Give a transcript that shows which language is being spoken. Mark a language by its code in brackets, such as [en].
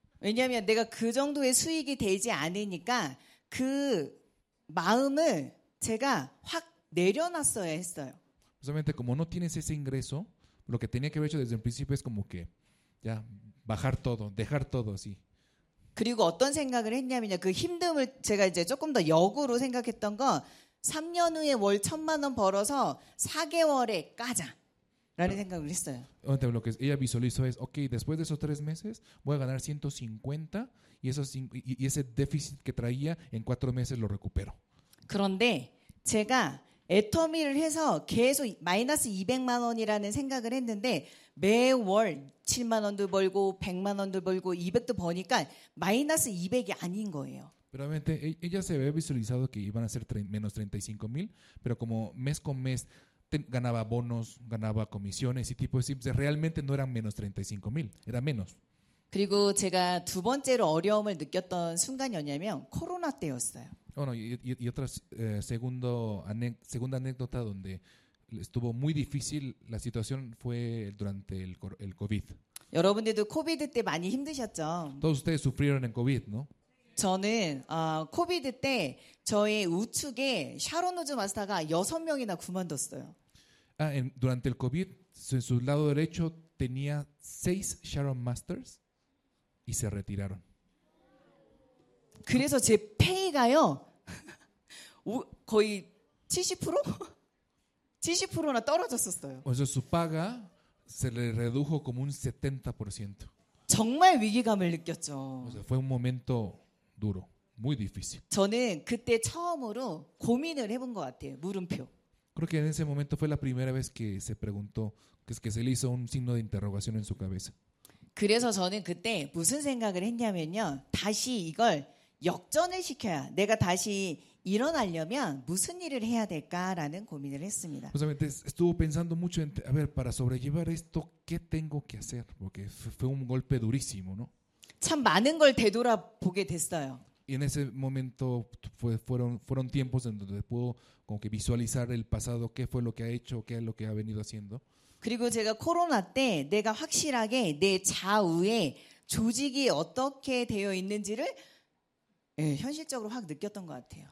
[ko] 왜냐면 내가 그 정도의 수익이 되지 않으니까 그 마음을 제가 확 내려놨어야 했어요. [es] Justamente como no tienes ese ingreso, lo que tenía que haber hecho desde el principio es como que ya bajar todo, dejar todo así. [ko] 그리고 어떤 생각을 했냐면요. 그 힘듦을 제가 이제 조금 더 역으로 생각했던 건 3년 후에 월 1000만 원 벌어서 4개월에 까자. 라는 생각을 했어요. [es] Entonces, lo que ella visualizó es, okay, después de esos 3 meses voy a ganar 150 y esos y ese déficit que traía en 4 meses lo recupero. [ko] 그런데 제가 애터미를 해서 계속 마이너스 200만 원이라는 생각을 했는데 매월 7만 원도 벌고 100만 원도 벌고 200도 버니까 마이너스 200이 아닌 거예요. [es] Realmente ella se había visualizado que iban a ser menos 35,000, pero como mes con mes ganaba bonos, ganaba comisiones y tipo de realmente no eran menos 35,000, era menos. [ko] 그리고 제가 두 번째로 어려움을 느꼈던 순간이었냐면 코로나 때였어요. [es] Bueno, y otra segunda anécdota donde estuvo muy difícil la situación fue durante el COVID. [ko] 여러분들도 코비드 때 많이 힘드셨죠? [es] Todos ustedes sufrieron en COVID, ¿no? [ko] 저는 코비드 때 저의 우측에 샤론우즈 마스터가 6명이나 그만뒀어요. [es] Ah, durante el COVID, en su lado derecho tenía 6 Sharon Masters y se retiraron. [ko] 그래서 제 페이가요 거의 70%? 70%나 떨어졌었어요. [es] O sea, su paga se le redujo como un 70%. [ko] 정말 위기감을 느꼈죠. [es] O sea, fue un momento duro, muy difícil. [ko] 저는 그때 처음으로 고민을 해본 것 같아요. 물음표. [es] Creo que en ese momento fue la primera vez que se preguntó, que se le hizo un signo de interrogación en su cabeza. [ko] 그래서 저는 그때 무슨 생각을 했냐면요. 다시 이걸 역전을 시켜야 내가 다시 일어나려면 무슨 일을 해야 될까라는 고민을 했습니다. [es] Justamente estuvo pensando mucho en, a ver, para sobrellevar esto, ¿qué tengo que hacer? Porque fue un golpe durísimo, ¿no? [ko] 참 많은 걸 되돌아보게 됐어요. [es] Y en ese momento fueron tiempos en donde pudo como que visualizar el pasado, qué fue lo que ha hecho, qué es lo que ha venido haciendo. [ko] 그리고 제가 코로나 때 내가 확실하게 내 좌우에 조직이 어떻게 되어 있는지를 현실적으로 확 느꼈던 것 같아요.